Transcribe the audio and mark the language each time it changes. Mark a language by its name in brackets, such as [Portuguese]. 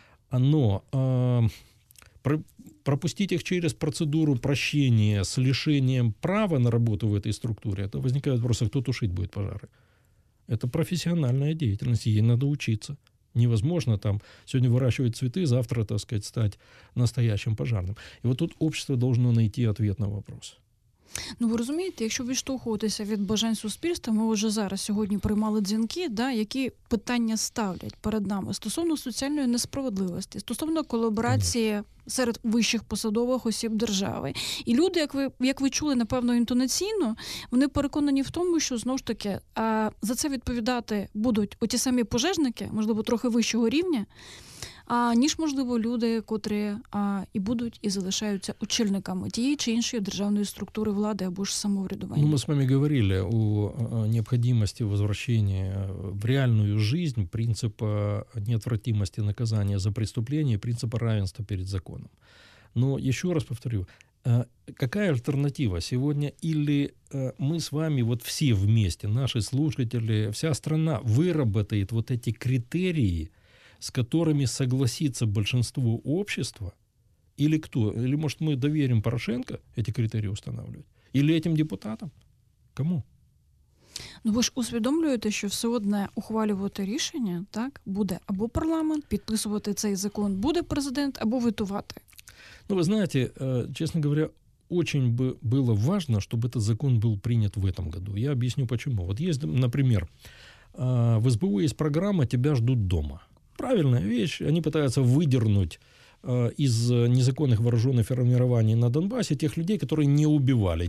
[Russian] Но пропустить их через процедуру прощения с лишением права на работу в этой структуре, это возникает вопрос, а кто тушить будет пожары? Это профессиональная деятельность, ей надо учиться. Невозможно там сегодня выращивать цветы, завтра, так сказать, стать настоящим пожарным. И вот тут общество должно найти ответ на вопрос. [Ukrainian] Ну, ви розумієте, якщо відштовхуватися від бажань суспільства, ми вже зараз сьогодні приймали дзвінки, да, які питання ставлять перед нами стосовно соціальної несправедливості, стосовно колаборації серед вищих посадових осіб держави. І люди, як ви чули, напевно, інтонаційно, вони переконані в тому, що, знову ж таки, за це відповідати будуть оті самі пожежники, можливо, трохи вищого рівня, ніж, можливо, люди, котрі і будуть, і залишаються очільниками тієї чи іншої державної структури влади або ж самоврядування. Ну, ми з вами говорили о необхідності повернення в реальну життя принципу неотвратимості наказання за преступлення, принципу равенства перед законом. [Russian] Ну, [Ukrainian] ще раз повторю, [Russian] какая альтернатива сегодня? Или мы с вами, вот все вместе, наши слушатели, вся страна выработает вот эти критерии, с которыми согласится большинство общества, или кто? Или, может, мы доверим Порошенко эти критерии устанавливать? Или этим депутатам? Кому? [Ukrainian] Ну, ви ж усвідомлюєте, що все одне ухвалювати рішення, так, буде або парламент, підписувати цей закон буде президент, або ветувати. Ну, ви знаєте, [Russian] чесно говоря, очень бы было важно, чтобы этот закон был принят в этом году. Я объясню, почему. Вот есть, например, в СБУ есть программа «Тебя ждут дома». Правильная вещь. Они пытаются выдернуть из незаконных вооруженных формирований на Донбассе тех людей, которые не убивали.